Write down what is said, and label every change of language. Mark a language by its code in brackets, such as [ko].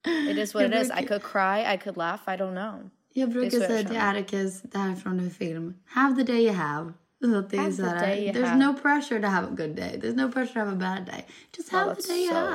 [en] It is what it is. I could cry, I could laugh, I don't know. [sv] Jag brukar säga till Atticus, det här är från en film. [en] Have the day you have. There's no pressure to have a good day. There's no pressure to have a bad day. Just have the day you have.